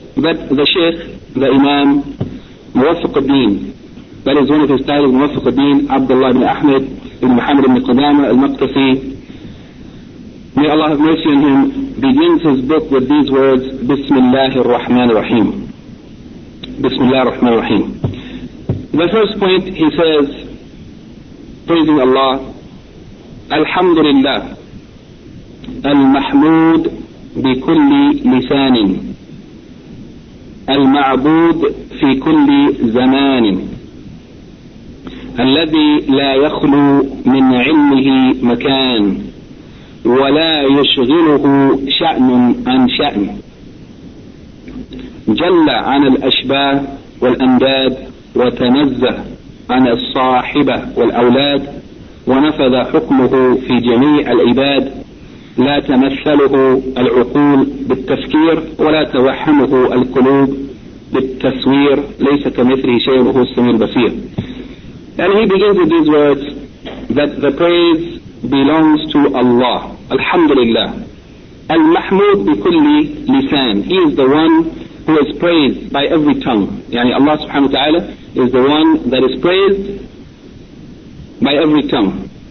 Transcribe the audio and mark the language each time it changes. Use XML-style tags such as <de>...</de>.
<en>That the Shaykh, the Imam, Muwaffiq al-Din, that is one of his titles, Muwaffiq al-Din, Abdullah ibn Ahmed ibn Muhammad ibn Qudama al-Maqdisi, may Allah have mercy on him, begins his book with these words,</en> <ar>Bismillah ar-Rahman ar-Rahim. Bismillah ar-Rahman ar-Rahim.</ar> <en>The first point he says, praising Allah,</en> <ar>Alhamdulillah, Al-Mahmud bi kulli lisanin, Al-Ma'bud fi kulli zamanin, الذي لا يخلو من علمه مكان ولا يشغله شأن عن شأن جل عن الأشباه والأنداد وتنزه عن الصاحبة والأولاد ونفذ حكمه في جميع العباد لا تمثله العقول بالتفكير ولا توهمه القلوب بالتصوير ليس كمثله شيء وهو السميع البصير.</ar> <en>And he begins with these words, that the praise belongs to Allah. Alhamdulillah.</en> <ar>Al-Mahmud bi kulli lisan.</ar> <en>He is the one who is praised by every tongue. Yani Allah subhanahu wa ta'ala is the one that is praised by every tongue.</en>